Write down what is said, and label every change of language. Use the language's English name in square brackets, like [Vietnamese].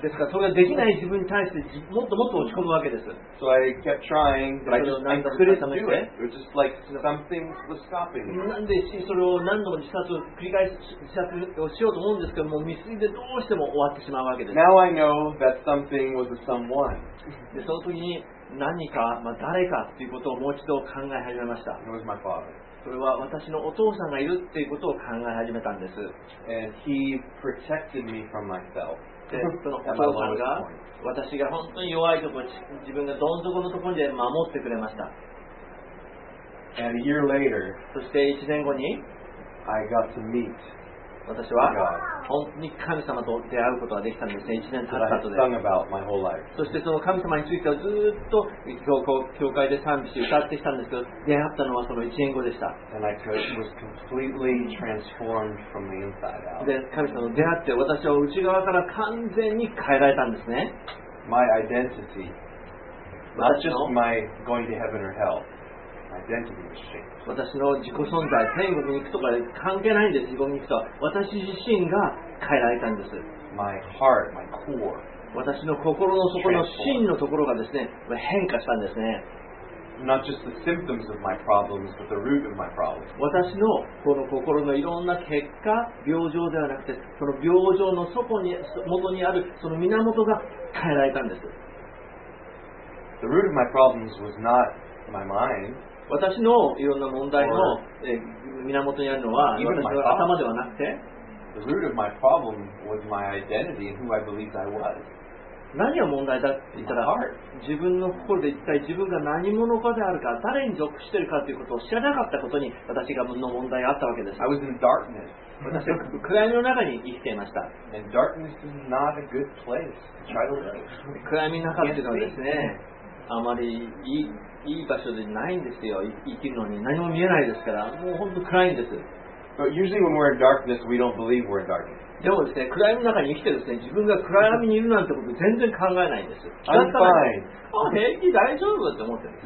[Japanese] ですからそれができない自分に対してもっともっと落ち込むわけです。 [English] So I kept trying, but I couldn't do it. It was just like something was stopping me. [Japanese] なんでそれを何度も自殺を繰り返し自殺をしようと思うんですけども未遂でどうしても終わってしまうわけです。 [English] Now I know that something was a someone. [Japanese] でその時に何か、まあ、誰かということをもう一度考え始めました。 [English] It was my father. [Japanese] それは私のお父さんがいるっていうことを考え始めたんです。 [English] And he protected me from myself. [Japanese] で、そのお父さんが私が本当に弱いところ、自分がどん底のところで守ってくれました。 [English] And a year later, [Japanese] そして1年後に、 [English] I got to meet [Japanese] 私は本当に神様と出会うことができたんですね、1年経った後で。 [English] That I sung about my whole life. [Japanese] そしてその神様についてはずっと教会で賛美し歌ってきたんですけど、出会ったのはその1年後でした。 [English] And I was completely transformed from the inside out. [Japanese] で、神様と出会って私は内側から完全に変えられたんですね。 [English] my identity, not just my going to heaven or hell. Identity is shaped. [Japanese] 私の自己存在、天国に行くとか関係ないんです。自分に行くと、私自身が変えられたんです。 [English] My heart, my core. [Japanese] 私の心の底の真のところがですね、変化したんですね。 [English] Not just the symptoms of my problems, but the root of my problems. [Japanese] 私のこの心のいろんな結果、病状ではなくて、その病状の底に元にあるその源が変えられたんです。 [English] The root of my problems was not my mind. [Japanese] 私のいろんな問題の源にあるのは私の頭ではなくて、 [English] The root of my problem was my identity and who I believed I was. [Japanese] 何が問題だって言ったら、自分の心で一体自分が何者かであるか、誰に属しているかということを知らなかったことに、私がの問題があったわけです。 [English] I was in darkness. [Japanese] 私は暗闇の中に生きていました。 [English] And darkness is not a good place to try to live. [Japanese] 暗闇の中っていうのはですね、あまりいい場所でないんですよ。生きるのに何も見えないですから、もう本当暗いんです。 [English] But usually when we're in darkness, we don't believe we're in darkness. [Japanese] でもですね、暗闇の中に生きてですね、自分が暗闇にいるなんてこと全然考えないんです。 [English] I'm fine. [Japanese] あ、平気大丈夫って思ってるんです、